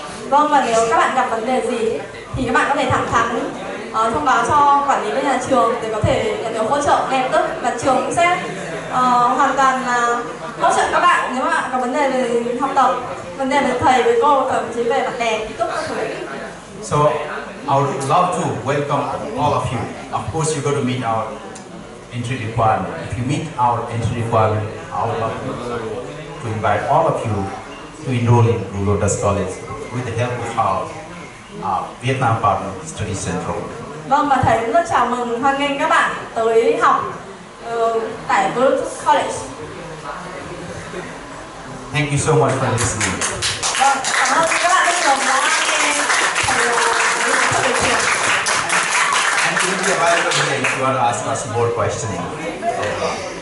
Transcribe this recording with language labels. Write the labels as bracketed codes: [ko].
[vi] Vâng, và nếu các bạn gặp vấn đề gì thì các bạn có thể thẳng thắn thông báo cho quản lý bên nhà trường để có thể nhận được hỗ trợ ngay tức, và trường cũng sẽ hoàn toàn hỗ trợ các bạn nếu mà bạn có vấn đề về học tập, vấn đề về thầy, về cô, thậm chí về bạn bè, ký túc các thứ. [en] So I would love to welcome all of you. Of course, you got to meet our entry requirement. If you meet our entry requirement, I would love to invite all of you to enroll in Blue Lotus College with the help of our Vietnam Partner Study Central. [vi] Vâng, và thầy cũng rất chào mừng, hoan nghênh các bạn tới học tại Blue Lotus College. [en] Thank you so much for listening. [vi] Vâng, cảm ơn các bạn rất nhiều đã nghe thầy nói chuyện. [en] If you want to ask us more questions.